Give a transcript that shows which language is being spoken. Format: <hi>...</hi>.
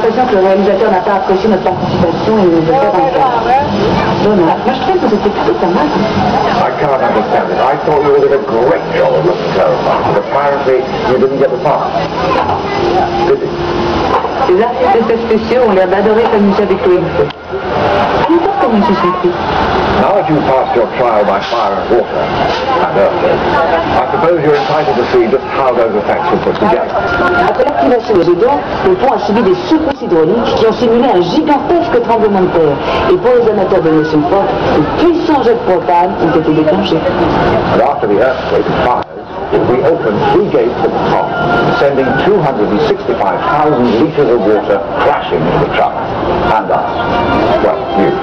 <fr>que le réalisateur n'a pas apprécié notre participation et nous a fait un cas. Donald, moi je trouve que c'était plutôt pas mal.</fr> <en>I can't understand it. I thought you were doing a great job of looking terrified, but apparently you didn't get the part.</en> <fr>Les artistes de spéciaux ont l'air d'adorer s'amuser avec toi. Allez voir comment ils se sentent.</fr> <en>Now that you've passed your trial by fire and water, and earthquake, I suppose you're entitled to see just how those effects were put together.</en> <fr>Après l'activation des odeurs, le pont a subi des secousses hydrauliques qui ont simulé un gigantesque tremblement de terre. Et pour les amateurs de l'émotion forte, de puissants jets de propane ont été déclenchés.</fr> <en>But after the earthquake and fires, we opened three gates at the top, sending 265,000 liters of water crashing into the truck and us.</en>